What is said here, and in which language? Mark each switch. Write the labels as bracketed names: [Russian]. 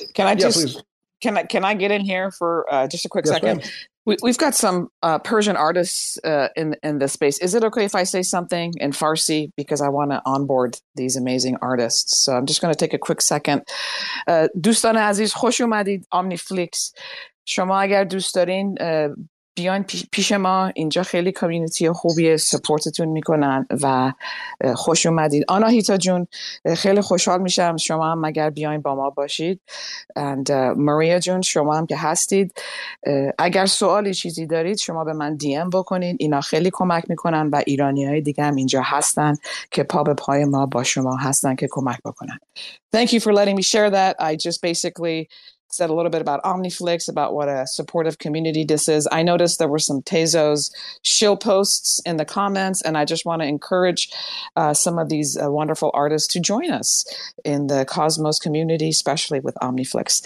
[English] Can I just... Yeah, please. Can I get in here for just a quick second? We've got some Persian artists in this space. Is it okay if I say something in Farsi? Because I want to onboard these amazing artists. So I'm just going to take a quick second. [Persian] دوستان عزیز خوش اومدید OmniFlix. شما اگر دوست دارین بیاین پیش ما. اینجا خیلی کامیونیتی خوبیه. سپورتتون میکنن و خوش اومدید. آناهیتا جون خیلی خوشحال میشم. شما هم اگر بیاین با ما باشید. And ماریا جون شما هم که هستید. اگر سوالی چیزی دارید شما به من DM بکنین. اینا خیلی کمک میکنن و ایرانی های دیگه هم اینجا هستن که پا به پای ما با شما هستن که کمک بکنن. [English] Thank you for letting me share that. I just basically said a little bit about OmniFlix, about what a supportive community this is. I noticed there were some Tezos shill posts in the comments, and I just want to encourage some of these wonderful artists to join us in the Cosmos community, especially with OmniFlix.